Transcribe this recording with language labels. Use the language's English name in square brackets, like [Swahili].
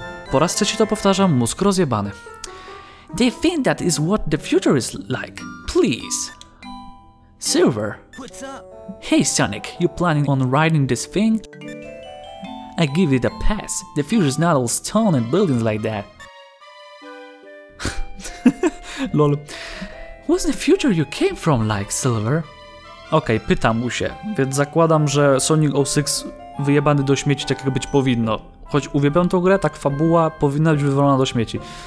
[Polish] Po raz trzeci to powtarzam, mózg rozjebany. [English] They think that is what the future is like. Please. Silver. What's up? Hey Sonic, you planning on riding this thing? I give it a pass. The future is not all stone and buildings like that. Lol. What's the future you came from like, Silver? [Polish] Okej, okay, pytam mu się, więc zakładam, że Sonic 06 wyjebany do śmieci, tak jak być powinno. Choć uwielbiam tą grę, tak fabuła powinna być wywalona do śmieci.